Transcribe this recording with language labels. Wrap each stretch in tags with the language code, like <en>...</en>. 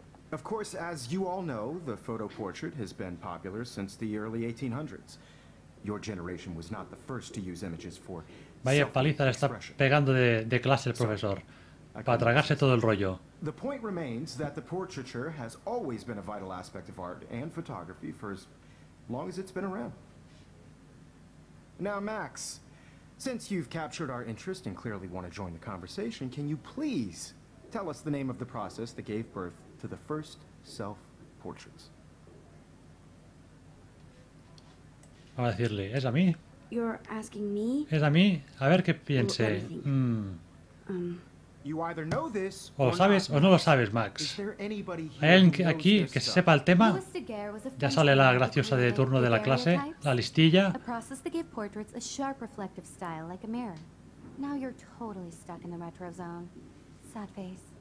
<en>Of course, as you all know, the photo portrait has been popular since the early 1800s. Your generation was not the first to use images for.</en> <es>Vaya paliza le está pegando de clase el profesor. Para tragarse todo el rollo.</es> <en>The point remains that the portraiture has always been a vital aspect of art and photography for as long as it's been around. Now, Max. Since you've captured our interest and clearly want to join the conversation, can you please tell us the name of the process that gave birth to the first self-portraits?</en> <es>Vamos a decirle, ¿es a mí?</es> <en>You're asking me?</en> <es>¿Es a mí? A ver qué piense.</es> <en>You either know this</en> <es>o lo sabes o no lo sabes, Max. ¿Hay alguien aquí que se sepa el tema? Ya sale la graciosa de turno de la clase, la listilla.</es> <en>Now you're totally stuck in the retro zone. Sad face.</en>